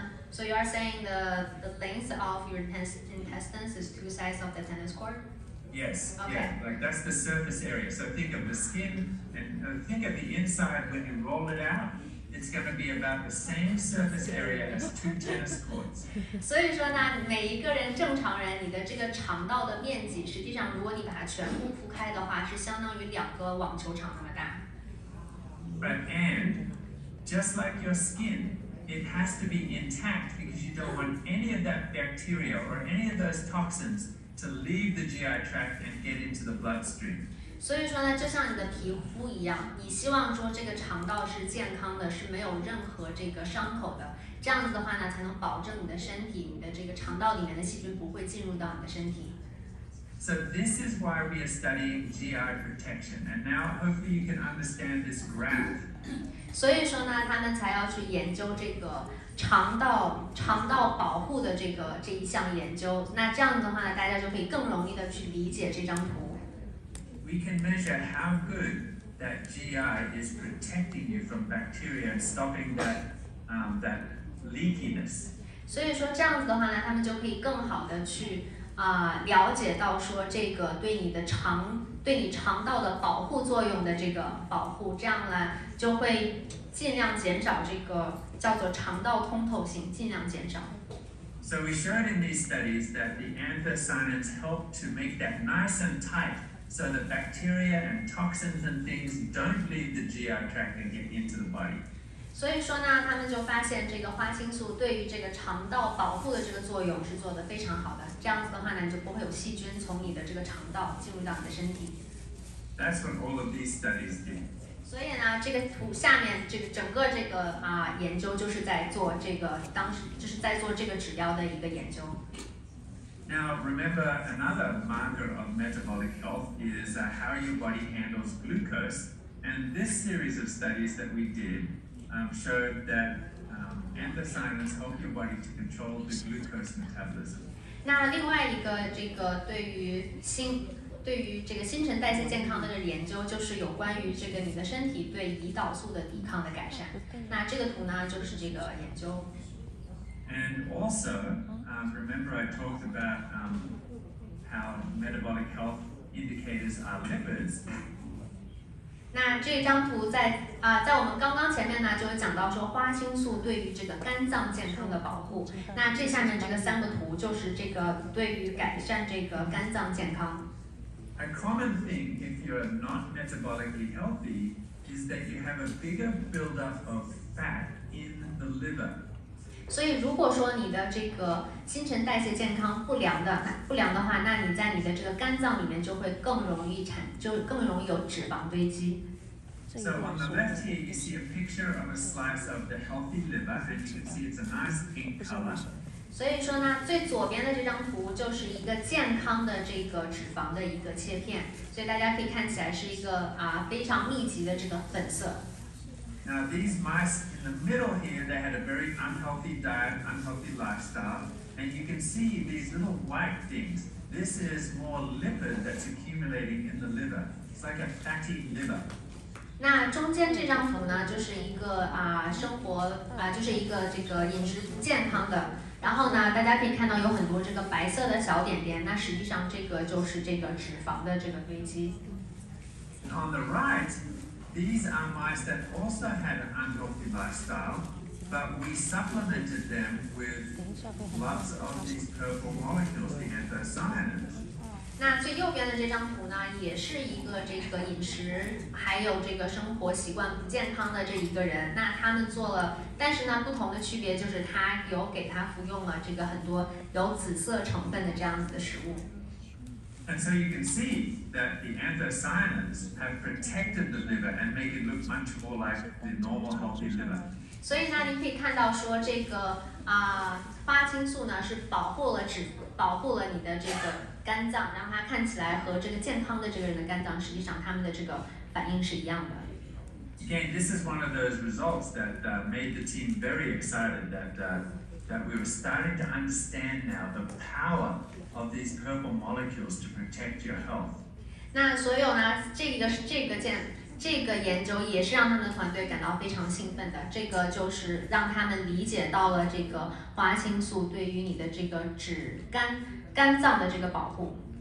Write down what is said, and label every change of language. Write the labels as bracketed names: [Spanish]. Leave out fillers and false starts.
[English] So you are saying the length of your intestines is two sides of the tennis court? Yes. Okay. Yeah, like that's the surface area. So think of the skin and think of the inside when you roll it out. It's going to be about the same surface area as two tennis courts. [Chinese] 所以说呢，每一个人正常人，你的这个肠道的面积，实际上如果你把它全部铺开的话，是相当于两个网球场那么大。 [English] But and just like your skin. It has to be intact because you don't want any of that bacteria or any of those toxins to leave the GI tract and get into the bloodstream. [Chinese] 所以说呢，就像你的皮肤一样，你希望说这个肠道是健康的，是没有任何这个伤口的。这样子的话呢，才能保证你的身体，你的这个肠道里面的细菌不会进入到你的身体。 [English] So this is why we are studying GI protection, and now hopefully you can understand this graph. [Chinese] 所以说呢，他们才要去研究这个肠道保护的这一项研究。那这样的话呢，大家就可以更容易的去理解这张图。 [English] We can measure how good that GI is protecting you from bacteria and stopping that leakiness. [Chinese] 所以说这样子的话呢，他们就可以更好的去了解到说这个对你肠道的保护作用的这个保护，这样呢就会尽量减少这个叫做肠道通透性，尽量减少。 [English] So we showed in these studies that the anthocyanins help to make that nice and tight, so the bacteria and toxins and things don't leave the GI tract and get into the body. [Chinese] 所以说呢，他们就发现这个花青素对于这个肠道保护的这个作用是做得非常好的。这样子的话呢，你就不会有细菌从你的这个肠道进入到你的身体。 [English] That's what all of these studies do. [Chinese] 所以呢，这个图下面这个整个这个研究就是在做这个当时就是在做这个指标的一个研究。 [English] Now remember another marker of metabolic health is how your body handles glucose, and this series of studies that we did showed that anthocyanins help your body to control the glucose metabolism. [Chinese] 那另外一个这个对于这个新陈代谢健康的这个研究，就是有关于这个你的身体对胰岛素的抵抗的改善。那这个图呢，就是这个研究。 [English] And also, remember I talked about how metabolic health indicators are lipids. [Chinese] 那这张图在我们刚刚前面呢，就讲到说花青素对于这个肝脏健康的保护。那这下面这个三个图就是这个对于改善这个肝脏健康。 [English] A common thing if you're not metabolically healthy is that you have a bigger buildup of fat in the liver. [Chinese] 所以如果说你的这个新陈代谢健康不良的话，那你在你的这个肝脏里面就会更容易有脂肪堆积。 [English] So on the left here, you see a picture of a slice of the healthy liver, and you can see it's a nice pink color. [Chinese] 所以说呢，最左边的这张图就是一个健康的这个脂肪的一个切片，所以大家可以看起来是一个非常密集的这个粉色。 [English] Now these mice in the middle here, they had a very unhealthy diet, unhealthy lifestyle, and you can see these little white things. This is more lipid that's accumulating in the liver. It's like a fatty liver. [Chinese] 那中间这张图呢，就是一个生活就是一个这个饮食不健康的。然后呢，大家可以看到有很多这个白色的小点点，那实际上这个就是这个脂肪的这个堆积。 [English] On the right, these are mice that also had an unhealthy lifestyle, but we supplemented them with lots of these purple molecules, the anthocyanins. [Chinese] 那最右边的这张图呢，也是一个这个饮食还有这个生活习惯不健康的这一个人。那他们做了，但是呢，不同的区别就是他有给他服用了这个很多有紫色成分的这样子的食物。 [English] And so you can see that the anthocyanins have protected the liver and make it look much more like the normal healthy liver. [Chinese] 所以呢，你可以看到说这个花青素呢是保护了你的这个。肝脏，让它看起来和这个健康的这个人的肝脏，实际上他们的这个反应是一样的。 [English] Again, this is one of those results that made the team very excited that we were starting to understand now the power of these purple molecules to protect your health. [Chinese] 那所有呢，这个研究也是让他们的团队感到非常兴奋的。这个就是让他们理解到了这个花青素对于你的这个肝脏的这个保护。